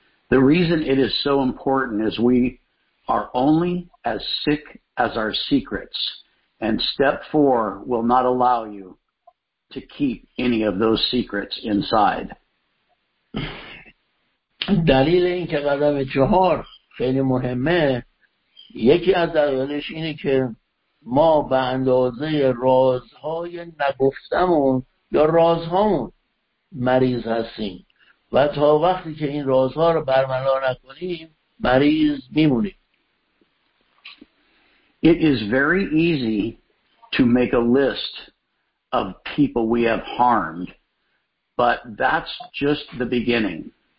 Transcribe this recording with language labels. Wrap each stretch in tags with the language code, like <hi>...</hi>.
<en>The reason it is so important is we are only as sick as our secrets, and step 4 will not allow you to keep any of those secrets inside.</en> <fa>دلیل این که قدم چهار خیلی مهمه، یکی از دلایلش اینه که ما به اندازه رازهای نگفتمون یا رازهامون مریض هستیم و تا وقتی که این رازها رو برملا نکنیم مریض میمونیم.</fa> <en>It is very easy to make a list of people we have harmed, but that's just the beginning.</en>